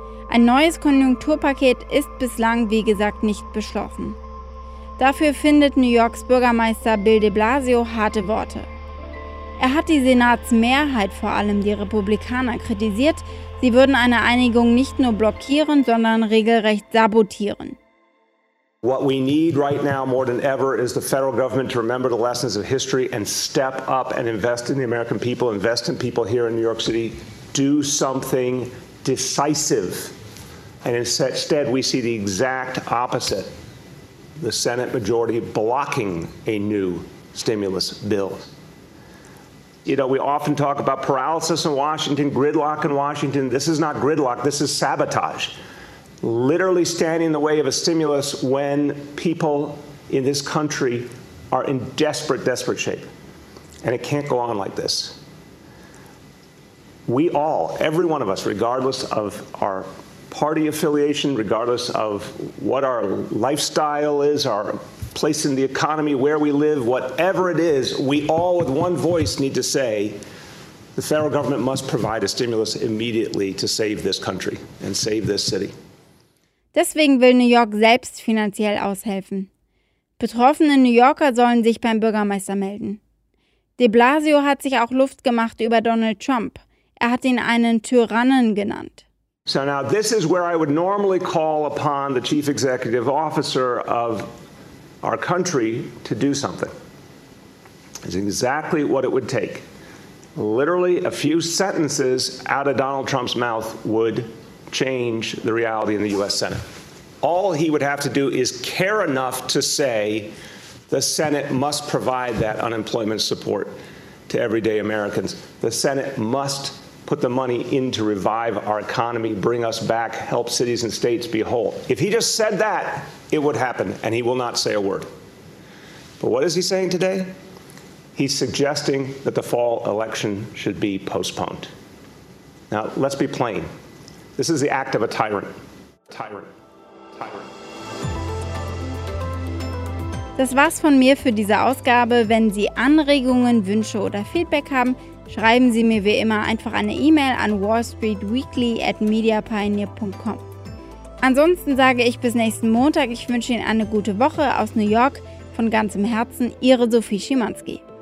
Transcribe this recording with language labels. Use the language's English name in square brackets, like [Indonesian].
[German] Ein neues Konjunkturpaket ist bislang, wie gesagt, nicht beschlossen. Dafür findet New Yorks Bürgermeister Bill de Blasio harte Worte. Er hat die Senatsmehrheit, vor allem die Republikaner, kritisiert. Sie würden eine Einigung nicht nur blockieren, sondern regelrecht sabotieren. [English] What we need right now more than ever is the federal government to remember the lessons of history and step up and invest in the American people, invest in people here in New York City, do something decisive. And instead, we see the exact opposite, the Senate majority blocking a new stimulus bill. You know, we often talk about paralysis in Washington, gridlock in Washington. This is not gridlock, this is sabotage. Literally standing in the way of a stimulus when people in this country are in desperate, desperate shape. And it can't go on like this. We all, every one of us, regardless of our party affiliation, regardless of what our lifestyle is, our place in the economy, where we live, whatever it is, we all with one voice need to say, the federal government must provide a stimulus immediately to save this country and save this city. [German] Deswegen will New York selbst finanziell aushelfen. Betroffene New Yorker sollen sich beim Bürgermeister melden. De Blasio hat sich auch Luft gemacht über Donald Trump. Er hat ihn einen Tyrannen genannt. [English] So now this is where I would normally call upon the chief executive officer of our country to do something. It's exactly what it would take. Literally a few sentences out of Donald Trump's mouth would change the reality in the U.S. Senate. All he would have to do is care enough to say the Senate must provide that unemployment support to everyday Americans. The Senate must put the money in to revive our economy, bring us back, help cities and states be whole. If he just said that, it would happen, and he will not say a word. But what is he saying today? He's suggesting that the fall election should be postponed. Now, let's be plain. This is the act of a tyrant. Tyrant. Tyrant. [German] Das war's von mir für diese Ausgabe. Wenn Sie Anregungen, Wünsche oder Feedback haben, schreiben Sie mir wie immer einfach eine E-Mail an wallstreetweekly@mediapioneer.com. Ansonsten sage ich bis nächsten Montag. Ich wünsche Ihnen eine gute Woche aus New York. Von ganzem Herzen, Ihre Sophie Schimanski.